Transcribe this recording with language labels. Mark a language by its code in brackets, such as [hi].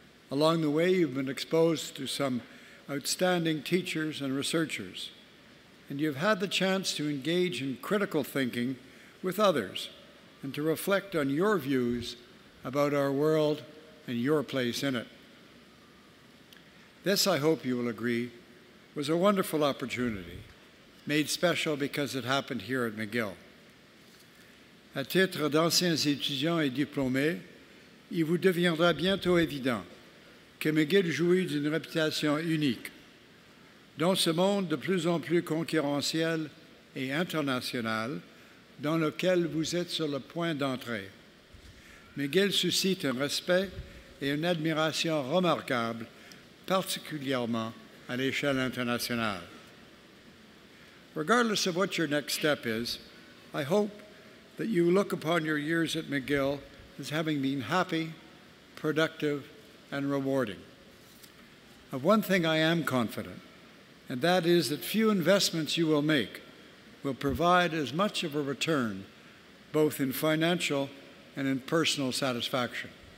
[en] Along the way, you've been exposed to some outstanding teachers and researchers, and you've had the chance to engage in critical thinking with others and to reflect on your views about our world and your place in it. This, I hope you will agree, was a wonderful opportunity, made special because it happened here at McGill. [fr] À titre d'anciens étudiants et diplômés, il vous deviendra bientôt évident que McGill jouit d'une réputation unique. Dans ce monde de plus en plus concurrentiel et international, dans lequel vous êtes sur le point d'entrer, McGill suscite un respect et une admiration remarquables, particulièrement à l'échelle internationale. [en] Regardless of what your next step is, I hope that you look upon your years at McGill as having been happy, productive, and rewarding. Of one thing I am confident, and that is that few investments you will make will provide as much of a return, both in financial and in personal satisfaction.